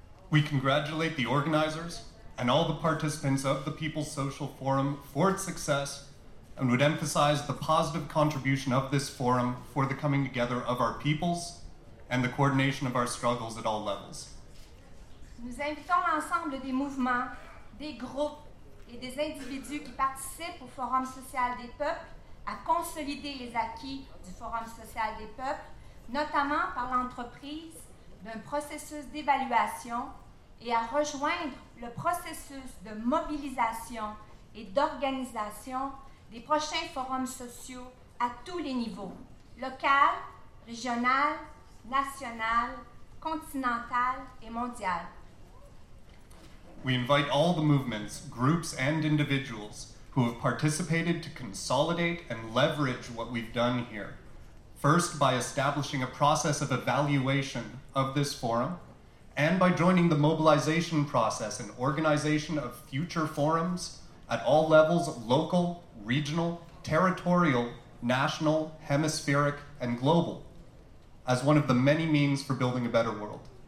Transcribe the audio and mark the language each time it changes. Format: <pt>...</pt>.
<en>We congratulate the organizers and all the participants of the People's Social Forum for its success and would emphasize the positive contribution of this forum for the coming together of our peoples and the coordination of our struggles at all levels.</en> <fr>Nous invitons l'ensemble des mouvements, des groupes et des individus qui participent au Forum social des peuples à consolider les acquis du Forum social des peuples, notamment par l'entreprise d'un processus d'évaluation et à rejoindre le processus de mobilisation et d'organisation des prochains forums sociaux à tous les niveaux, local, régional, national, continental et mondial.</fr> <en>We invite all the movements, groups and individuals who have participated to consolidate and leverage what we've done here. First, by establishing a process of evaluation of this forum, and by joining the mobilization process and organization of future forums at all levels, local, regional, territorial, national, hemispheric, and global, as one of the many means for building a better world.</en>